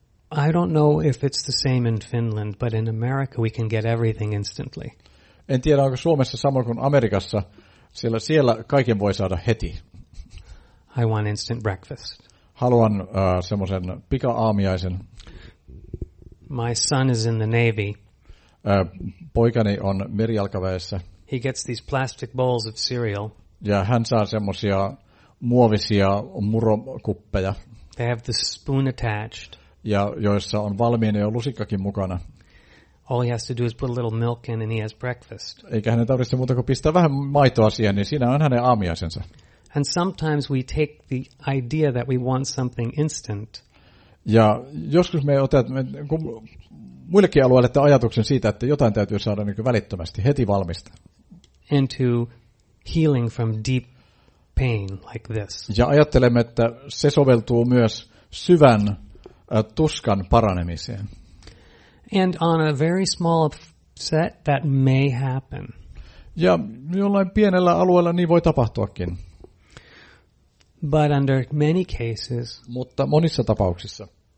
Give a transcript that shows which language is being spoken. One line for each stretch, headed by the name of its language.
English: I don't know if it's the same in Finland, but in America we can get everything instantly.
Finnish: En tiedä, onko Suomessa sama kuin Amerikassa, sillä siellä kaiken voi saada heti.
English: I want instant breakfast.
Finnish: Haluan semmoisen pika-aamiaisen.
English: My son is in the Navy.
Finnish: Poikani on merijalkaväessä.
English: He gets these plastic bowls of cereal.
Finnish: Ja hän saa semmoisia muovisia murokuppeja.
English: They have the spoon attached.
Finnish: Ja joissa on valmiina jo lusikkakin mukana.
English: All he has to do is put a little milk in and he has breakfast.
Finnish: Eikä hänen tarvitse muuta kuin pistää vähän maitoa siihen, niin siinä on hänen aamiaisensa.
English: And sometimes we take the idea that we want something instant.
Finnish: Ja joskus me otamme muillekin alueelle tämän ajatuksen siitä, että jotain täytyy saada niin kuin välittömästi, heti valmista.
English: Into healing from deep pain like this.
Finnish: Ja ajattelemme, että se soveltuu myös syvän tuskan paranemiseen.
English: And on a very small set that may happen.
Finnish: Ja jollain pienellä alueella niin voi tapahtuakin.
English: But under many cases.
Finnish: Mutta monissa tapauksissa.